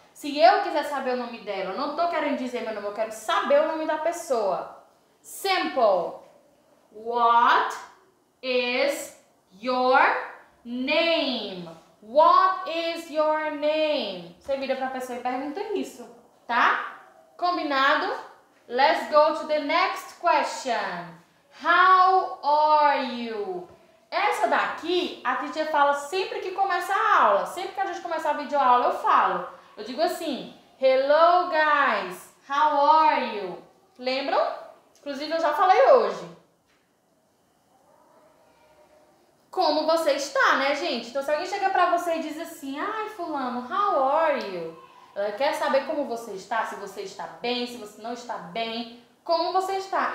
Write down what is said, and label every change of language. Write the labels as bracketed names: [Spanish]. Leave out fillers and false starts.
[Portuguese] Se eu quiser saber o nome dela, eu não tô querendo dizer meu nome, eu quero saber o nome da pessoa. [English] Simple. What is your name? What is your name? [Portuguese] Você vira pra pessoa e pergunta isso, tá? Combinado? [English] Let's go to the next question. How are you? [Portuguese] Essa daqui, a teacher fala sempre que começa a aula. Sempre que a gente começa a videoaula, eu falo. Eu digo assim, [English] hello guys, how are you? [Portuguese] Lembram? Inclusive, eu já falei hoje. Como você está, né, gente? Então, se alguém chega pra você e diz assim, ai, fulano, [English] how are you? [Portuguese] Ela quer saber como você está bem, se você não está bem, como você está.